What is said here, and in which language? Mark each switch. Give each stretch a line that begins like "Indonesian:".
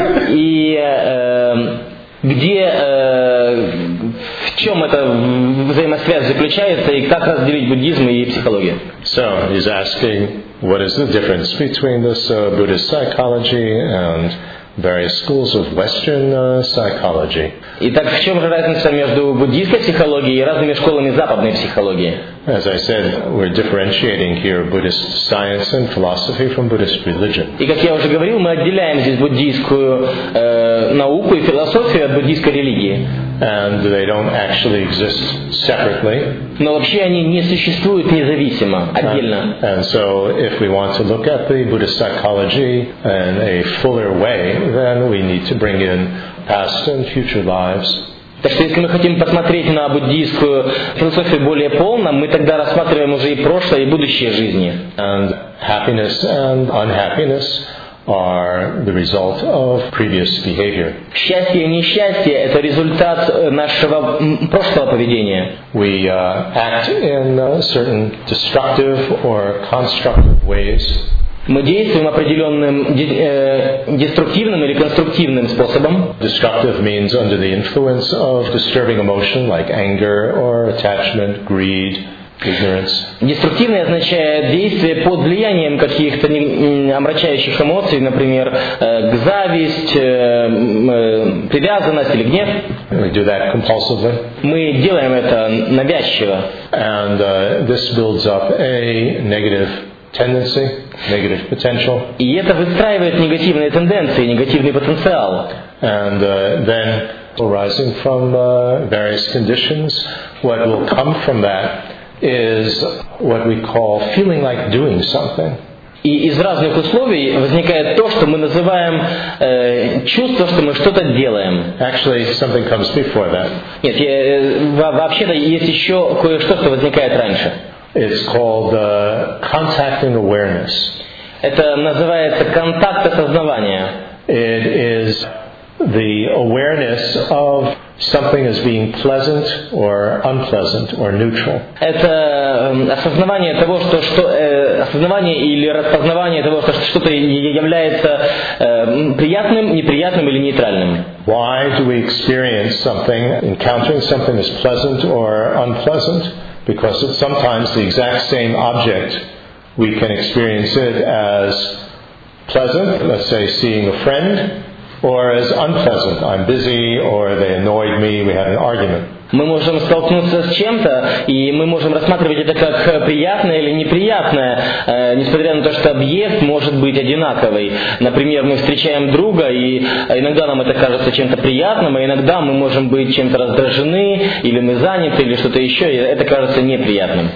Russian: И где, в чем эта взаимосвязь заключается и как разделить буддизм и психологию?
English: So he's asking, what is the difference between this Buddhist psychology and various schools of Western psychology?
Russian: Итак, в чем же разница между буддийской психологией и разными школами западной психологии?
English: As I said, we're differentiating here Buddhist science and philosophy from Buddhist religion.
Russian: И как я уже говорил, мы отделяем здесь буддийскую науку и философию от буддийской религии.
English: And they don't actually exist separately.
Russian: Но вообще они не существуют независимо, отдельно.
English: And so if we want to look at the Buddhist psychology in a fuller way, then we need to bring in past and future lives.
Russian: Так что если мы хотим посмотреть на буддийскую философию более полно, мы тогда рассматриваем уже и прошлое, и будущее жизни.
English: And happiness and unhappiness are the result of previous behavior.
Russian: Счастье и несчастье – это результат нашего прошлого поведения.
English: We act in certain destructive or constructive ways.
Russian: Мы действуем определенным деструктивным или конструктивным способом.
English: Destructive means under the influence of disturbing emotion like anger or attachment, greed.
Russian: Деструктивное означает действие под влиянием каких-то омрачающих эмоций, например, зависть, привязанность или гнев.
English: We do that compulsively.
Russian: Мы делаем это навязчиво.
English: And this builds up a negative tendency, negative potential.
Russian: И это выстраивает негативные тенденции, негативный потенциал.
English: And then arising from various conditions, what will come from that is what we call feeling like doing something.
Russian: И из разных условий возникает то, что мы называем чувство, что мы что-то делаем.
English: Actually, something comes before that.
Russian: Нет, вообще-то есть еще кое-что, что возникает раньше.
English: It's called contacting awareness.
Russian: Это называется контакт осознавания.
English: It is the awareness of something as being pleasant or unpleasant or neutral.
Russian: Это осознавание того, что осознавание или распознавание того, что что-то является приятным, неприятным или нейтральным.
English: Why do we experience something, encountering something as pleasant or unpleasant? Because it's sometimes the exact same object, we can experience it as pleasant, let's say seeing a friend, or as unpleasant, I'm busy, or they annoyed me, we had an argument.
Russian: Мы можем столкнуться с чем-то, и мы можем рассматривать это как приятное или неприятное, несмотря на то, что объект может быть одинаковый. Например, мы встречаем друга, и иногда нам это кажется чем-то приятным, а иногда мы можем быть чем-то раздражены, или мы заняты, или что-то еще, и это кажется неприятным.